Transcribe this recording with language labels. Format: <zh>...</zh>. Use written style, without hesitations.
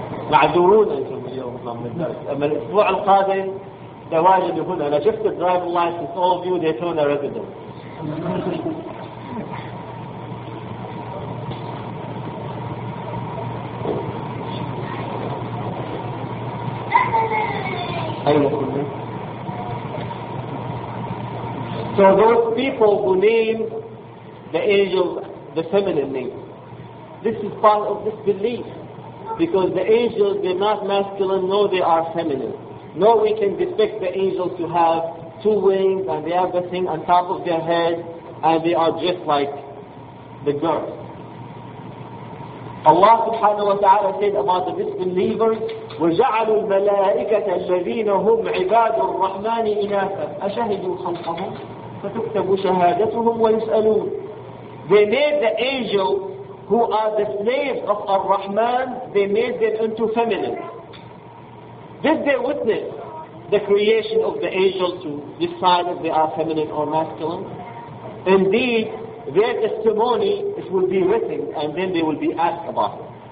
<ar>معذورون أنتم اليوم من الدرس. أما الأسبوع القادم تواجد هنا. أنا شفت</ar> <en>الدرايف license all of you Daytona residents.</en> <ar>أين كنا؟</ar> <en>So those people who name the angels the feminine name, this is part of this belief. Because the angels, they're not masculine, nor they are feminine. Nor we can depict the angels to have two wings, and they have the thing on top of their head, and they are just like the girl. Allah subhanahu wa ta'ala said about the disbelievers,</en> <ar>وَجَعَلُوا الْمَلَائِكَةَ الَّذِينَ هُمْ عِبَادُ الرَّحْمَانِ إِنَاثًا أَشَهِدُوا خَلْقَهُمْ فَتُكْتَبُوا شَهَادَتُهُمْ وَيُسْأَلُونَ.</ar> <en>They made the angel who are the slaves of Ar-Rahman, they made them into feminine. Did they witness the creation of the angel to decide if they are feminine or masculine? Indeed, their testimony, it will be written, and then they will be asked about it.</en>